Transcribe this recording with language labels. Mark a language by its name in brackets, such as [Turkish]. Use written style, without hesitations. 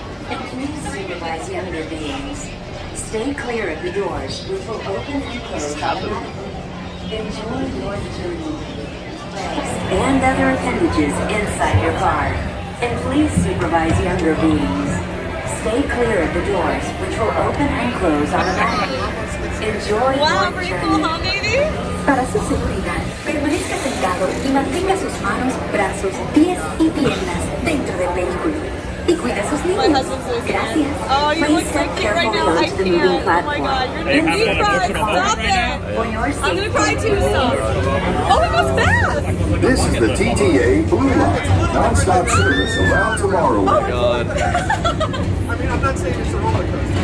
[English] And please supervise younger beings. Stay clear of the doors, which will open and close automatically. Enjoy your journey. Legs and other appendages inside your car. And please supervise younger beings. Stay clear of the doors, which will open and close automatically. Enjoy wow, your journey. Wow, pretty cool, huh, baby? [Spanish] Para su seguridad, permanezca sentado y mantenga sus manos, brazos, pies y piernas dentro del vehículo. Y cuida sus niños. [English] My husband's listening. [Spanish] Gracias. [English] Oh, you look sexy right now. I can't. Oh, my God. You're going to be crying. Stop it. Right, I'm going to cry too, stop. Oh, it goes fast. This is the TTA Blue Line. Non-stop service around tomorrow. Oh, my God. I mean, I'm not saying it's a roller coaster.